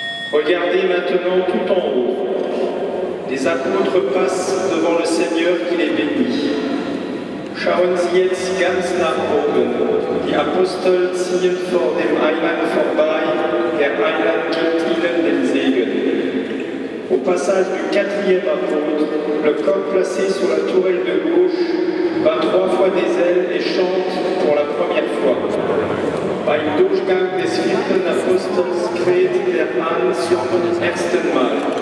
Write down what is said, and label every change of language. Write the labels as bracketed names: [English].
[French] Regardez maintenant tout en haut. Les apôtres passent devant le Seigneur qui les bénit. [German] Schauen Sie jetzt ganz nach oben. Die Apostel ziehen vor dem Eiland vorbei. Der Eiland gibt ihnen den Segen. [French] Au passage du quatrième apôtre, le coq placé sur la tourelle de gauche bat trois fois des ailes et chante pour la première fois. [German] Bei Durchgang des vierten Apostels kräht der Hahn zum ersten Mal.